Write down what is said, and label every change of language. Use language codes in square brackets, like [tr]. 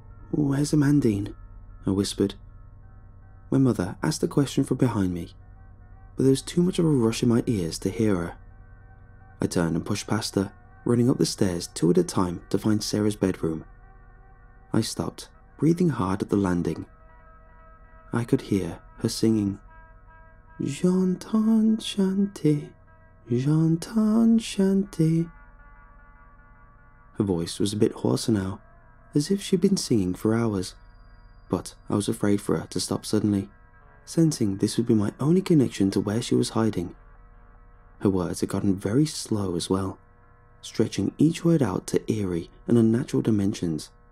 [en] "Where's Amandine?" I whispered. My mother asked the question from behind me, but there was too much of a rush in my ears to hear her. I turned and pushed past her, running up the stairs two at a time to find Sarah's bedroom. I stopped, breathing hard at the landing. I could hear her singing. [fr] J'entends chanter, j'entends chanter. [en] Her voice was a bit hoarser now, as if she'd been singing for hours. But I was afraid for her to stop suddenly, sensing this would be my only connection to where she was hiding. Her words had gotten very slow as well, stretching each word out to eerie and unnatural dimensions.